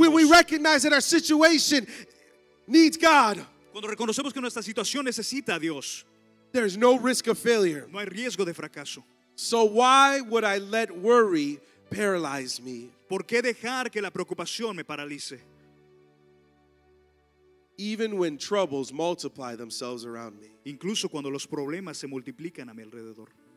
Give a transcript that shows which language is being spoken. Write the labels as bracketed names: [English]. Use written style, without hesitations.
[English] When we recognize that our situation needs God. [Spanish] Cuando reconocemos que nuestra situación necesita a Dios. [English] There is no risk of failure. [Spanish] No hay riesgo de fracaso. [English] So why would I let worry paralyze me? [Spanish] ¿Por qué dejar que la preocupación me paralice? [English] Even when troubles multiply themselves around me. [Spanish] Incluso cuando los problemas se multiplican a mi alrededor.